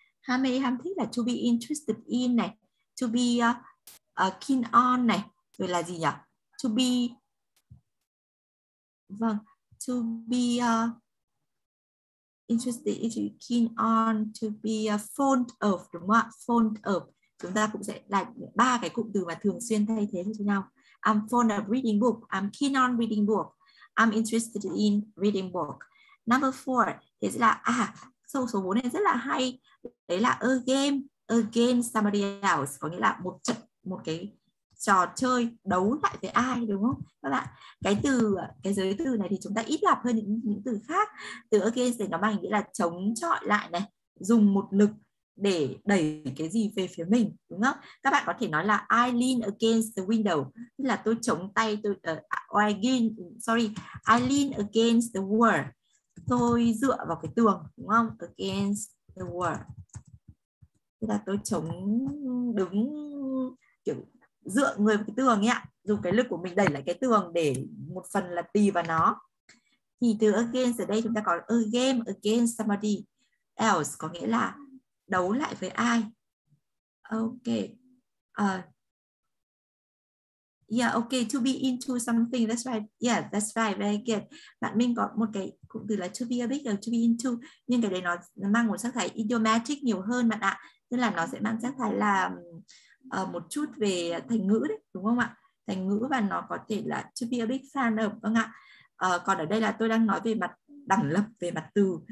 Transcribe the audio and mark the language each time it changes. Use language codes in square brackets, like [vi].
[vi] Ham mê, ham thích là to be interested in này, to be keen on này, rồi là gì nhỉ? [en] To be, [vi] vâng, [en] to be interested in, keen on, to be fond of, [vi] đúng không ạ? [en] Fond of. [vi] Chúng ta cũng sẽ là ba cái cụm từ mà thường xuyên thay thế cho nhau. [en] I'm fond of reading book, I'm keen on reading book, I'm interested in reading book. Number four, [vi] thế sẽ là số 4 này rất là hay. Đấy là [en] a game against somebody else, [vi] có nghĩa là một cái trò chơi đấu lại với ai, đúng không các bạn? Cái giới từ này thì chúng ta ít gặp hơn những từ khác. Từ against thì nó mang nghĩa là chống chọi lại này, dùng một lực để đẩy cái gì về phía mình, đúng không? Các bạn có thể nói là [en] I lean against the window, [vi] tức là tôi chống tay, [en] I lean against the wall, [vi] tôi dựa vào cái tường, đúng không? Against the wall, tức là tôi chống đứng kiểu dựa người vào cái tường ấy, dùng cái lực của mình đẩy lại cái tường để một phần là tì vào nó. Thì từ against ở đây chúng ta có [en] a game against somebody else, [vi] có nghĩa là đấu lại với ai? Ok. [en] Yeah, okay, to be into something, that's right. Yeah, that's right, very good. [vi] Bạn Minh có một cái cụm từ là [en] to be a bit or to be into, [vi] nhưng cái đấy nó mang một sắc thái idiomatic nhiều hơn bạn ạ. Tức là nó sẽ mang sắc thái là một chút về thành ngữ đấy, đúng không ạ? Thành ngữ, và nó có thể là [en] to be a big fan of, [vi] vâng ạ. Còn ở đây là tôi đang nói về mặt đẳng lập, về mặt từ.